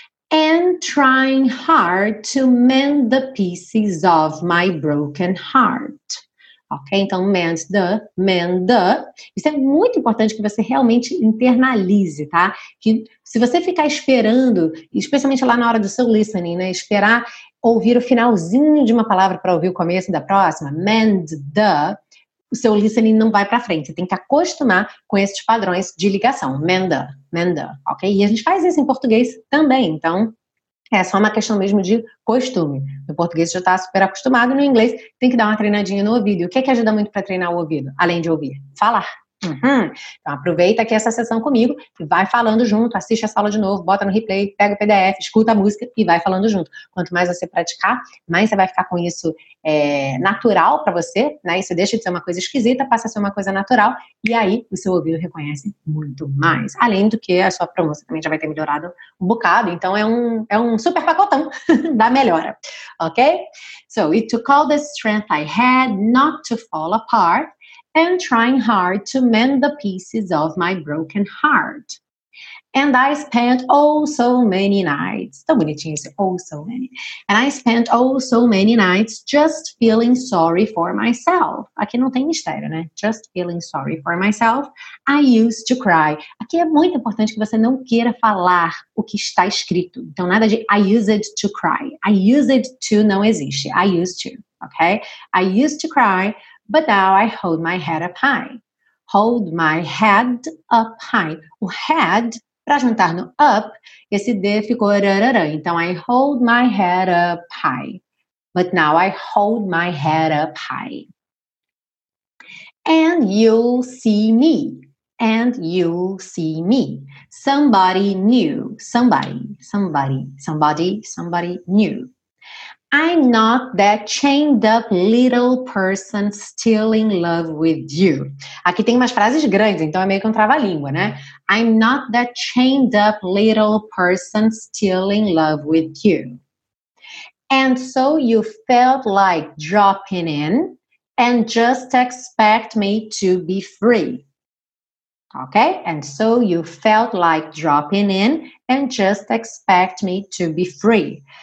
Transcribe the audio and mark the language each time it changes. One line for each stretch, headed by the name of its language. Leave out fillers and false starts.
English: And trying hard to mend the pieces of my broken heart.
Portuguese: Ok, então
English: mend the.
Portuguese: Isso é muito importante que você realmente internalize, tá? Que se você ficar esperando, especialmente lá na hora do seu listening, né? Esperar ouvir o finalzinho de uma palavra para ouvir o começo da próxima,
English: mend the,
Portuguese: o seu listening não vai para frente. Tem que acostumar com esses padrões de ligação.
English: Mend the,
Portuguese: ok? E a gente faz isso em português também, então. É só uma questão mesmo de costume. No português já está super acostumado, no inglês tem que dar uma treinadinha no ouvido. O que é que ajuda muito para treinar o ouvido, além de ouvir? Falar. Uhum. Então aproveita aqui essa sessão comigo e vai falando junto, assiste a sala de novo, bota no replay, pega o PDF, escuta a música e vai falando junto. Quanto mais você praticar, mais você vai ficar com isso natural para você, né? Isso deixa de ser uma coisa esquisita, passa a ser uma coisa natural e aí o seu ouvido reconhece muito mais. Além do que a sua pronúncia também já vai ter melhorado um bocado, então é um super pacotão da melhora, ok?
English: So, it took all the strength I had not to fall apart. And trying hard to mend the pieces of my broken heart. And I spent oh so many nights.
Portuguese: Tão bonitinho esse
English: oh so many. And I spent oh so many nights just feeling sorry for myself.
Portuguese: Aqui não tem mistério, né?
English: Just feeling sorry for myself. I used to cry.
Portuguese: Aqui é muito importante que você não queira falar o que está escrito. Então nada de
English: I used to cry. I used to
Portuguese: não existe.
English: I used to, okay? I used to cry. But now I hold my head up high. Hold my head up high.
Portuguese: O head, para juntar no up, esse D ficou rarara. Então,
English: I hold my head up high. But now I hold my head up high. And you'll see me. And you'll see me. Somebody new. Somebody, somebody, somebody, somebody new. I'm not that chained up little person still in love with you.
Portuguese: Aqui tem umas frases grandes, então é meio que um trava-língua, né?
English: I'm not that chained up little person still in love with you. And so you felt like dropping in and just expect me to be free. Okay? And so you felt like dropping in and just expect me to be free.